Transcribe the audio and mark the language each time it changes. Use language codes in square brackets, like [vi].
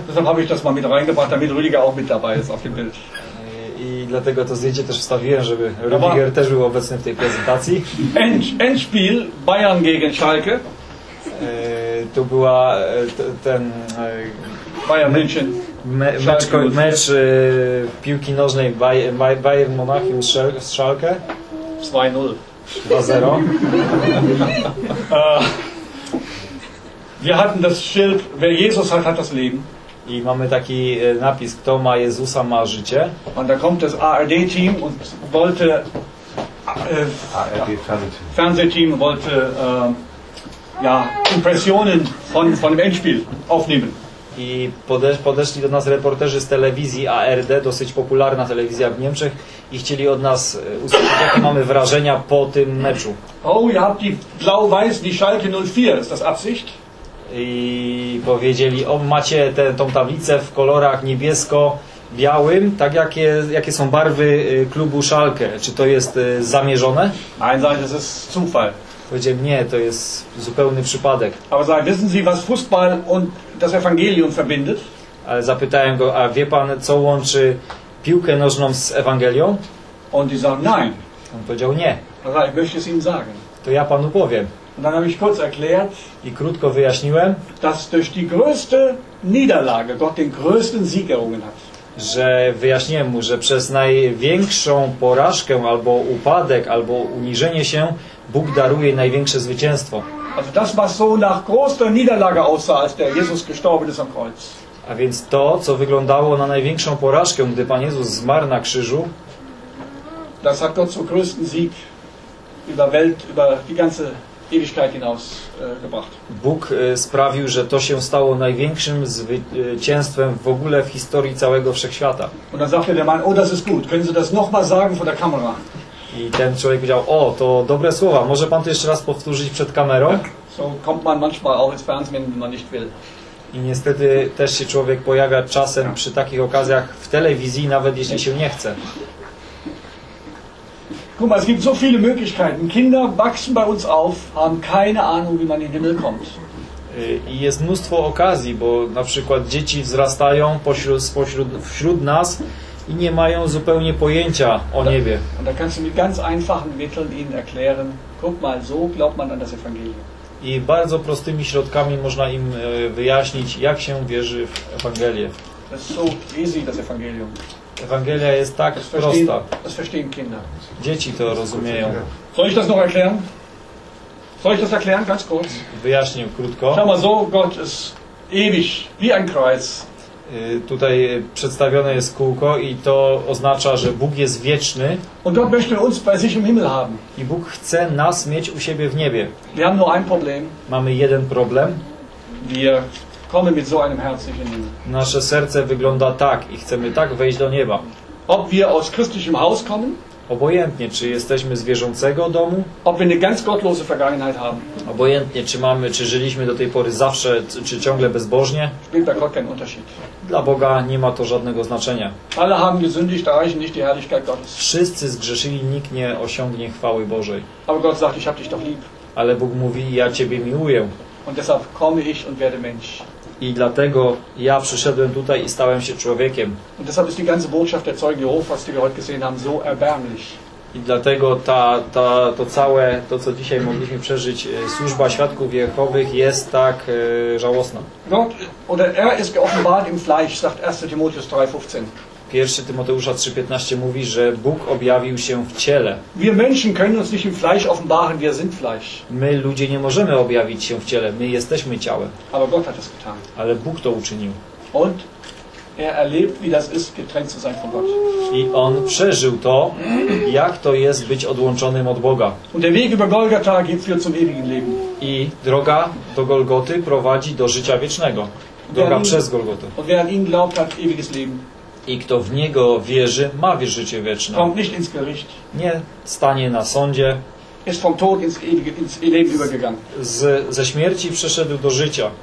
[de] Deshalb habe ich das mal mit reingebracht, damit Rüdiger auch mit dabei ist auf dem Bild. [pl] I dlatego to zdjęcie też wstawiłem, żeby Rüdiger też był obecny w tej prezentacji. [de] Endspiel Bayern gegen Schalke. [pl] To była ten [de] Bayern München. [pl] Mecz piłki nożnej Bayern Monachium z Schalke. [de] 2-0. [pl] 2-0. [de] Wir hatten das Schild, wer Jesus hat, hat das Leben. [pl] I mamy taki napis, kto ma Jezusa, ma życie. [de] Und da kommt das ARD-Team und wollte... ARD-Fernsehteam wollte Impressionen von dem Endspiel aufnehmen. [pl] I podeszli do nas reporterzy z telewizji ARD, dosyć popularna telewizja w Niemczech, i chcieli od nas usłyszeć, jakie mamy wrażenia po tym meczu. [de] Oh, ihr habt die blau-weiß, die Schalke 04, ist das Absicht? [pl] I powiedzieli, o, macie tą tablicę w kolorach niebiesko-białym, tak jakie są barwy klubu Schalke, czy to jest zamierzone? [de] Nein, nein, das ist Zufall. [pl] Powiedziałem, nie, to jest zupełny przypadek. [de] Aber sagen, wissen Sie, was Fußball und das Evangelium verbindet? [pl] Ale zapytałem go, a wie pan, co łączy piłkę nożną z Ewangelią? [de] Und die sagen, nein. [pl] On powiedział, nie. [de] Also, ich möchte es Ihnen sagen. [pl] To ja panu powiem. [de] Und dann habe ich kurz erklärt, [pl] i krótko wyjaśniłem, [de] dass durch die größte Niederlage Gott den größten Sieg errungen hat. [pl] Że wyjaśniłem mu, że przez największą porażkę, albo upadek, albo uniżenie się, Bóg daruje największe zwycięstwo. [de] Also das, was so nach großer Niederlage aussah, als der Jesus gestorben ist am Kreuz. [pl] A więc to, co wyglądało na największą porażkę, gdy Pan Jezus zmarł na krzyżu, [de] das hat Gott zum größten Sieg über Welt, über die ganze Ewigkeit hinaus gebracht. [pl] Bóg sprawił, że to się stało największym zwycięstwem w ogóle w historii całego wszechświata. [de] Und dann sagte der Mann, oh, das ist gut. Können Sie das nochmal sagen vor der Kamera? [pl] I ten człowiek powiedział, o, to dobre słowa, może pan to jeszcze raz powtórzyć przed kamerą? [de] So kommt man manchmal auch ins Fernsehen, wenn man nicht will. [pl] I niestety też się człowiek pojawia czasem przy takich okazjach w telewizji, nawet jeśli się nie chce. [de] Guck mal, es gibt so viele Möglichkeiten. Kinder wachsen bei uns auf, haben keine Ahnung, wie man in den Himmel kommt. [pl] I jest mnóstwo okazji, bo na przykład dzieci wzrastają wśród nas, i nie mają zupełnie pojęcia o niebie. [de] Und da kannst du mit ganz einfachen Mitteln ihnen erklären, guck mal, so glaubt man an das Evangelium. [pl] I bardzo prostymi środkami można im wyjaśnić, jak się wierzy w Ewangelię. [de] Das ist so easy, das Evangelium. [pl] Ewangelia jest tak prosta. [de] Das verstehen Kinder. [pl] Dzieci to rozumieją. [de] Soll ich das noch erklären? Soll ich das erklären, ganz kurz? [pl] Wyjaśnię krótko. [de] Schau mal, so Gott ist ewig, wie ein Kreuz. [pl] Tutaj przedstawione jest kółko i to oznacza, że Bóg jest wieczny. [de] Und Gott möchte uns bei sich im Himmel haben. [pl] I Bóg chce nas mieć u siebie w niebie. [de] Wir haben nur ein Problem. [pl] Mamy jeden problem. [de] Wir kommen mit so einem Herz nicht in den Himmel. [pl] Nasze serce wygląda tak i chcemy tak wejść do nieba. [de] Ob wir aus christlichem Haus kommen? [pl] Obojętnie, czy jesteśmy z wierzącego domu. [de] Ob wir eine ganz gottlose Vergangenheit haben. [pl] Obojętnie, czy żyliśmy do tej pory zawsze, czy ciągle bezbożnie. [de] Spielt da keinen Unterschied. [pl] Dla Boga nie ma to żadnego znaczenia. [de] Alle haben gesündigt, erreichen nicht die Herrlichkeit Gottes. [pl] Wszyscy zgrzeszyli, nikt nie osiągnie chwały Bożej. [de] Aber Gott sagt, ich hab dich doch lieb. [pl] Ale Bóg mówi, ja Ciebie miłuję. [de] Und deshalb komme ich und werde Mensch. [pl] I dlatego ja przyszedłem tutaj i stałem się człowiekiem. [de] Und deshalb ist die ganze Botschaft der Zeugen Jehovas, die wir heute gesehen haben, so erbärmlich. [pl] I dlatego to całe, to co dzisiaj mogliśmy przeżyć, służba świadków Jehowych jest tak żałosna. [de] Gott, oder er ist geoffenbart im Fleisch, sagt 1. Timotheus 3,15. [pl] 1 Tymoteusza 3:15 mówi, że Bóg objawił się w ciele. [de] Wir Menschen können uns nicht im Fleisch offenbaren, wir sind Fleisch. [pl] My ludzie nie możemy objawić się w ciele, my jesteśmy ciałem. [de] Aber Gott hat das getan. [pl] Ale Bóg to uczynił. [de] Und er erlebt, wie das ist, getrennt zu sein von Gott. [pl] I on przeżył to, jak to jest być odłączonym od Boga. [de] Und der Weg über Golgatha geht führt zum ewigen Leben. [pl] I droga do Golgoty prowadzi do życia wiecznego. Droga przez Golgotę. [de] Und wer an ihn glaubt, hat ewiges Leben. [pl] I kto w Niego wierzy, ma życie wieczne. [de] Kommt nicht ins Gericht. [pl] Nie stanie na sądzie. [de] Ist vom Tod ins ewige, ins Leben übergegangen. [pl] Ze śmierci przeszedł do życia.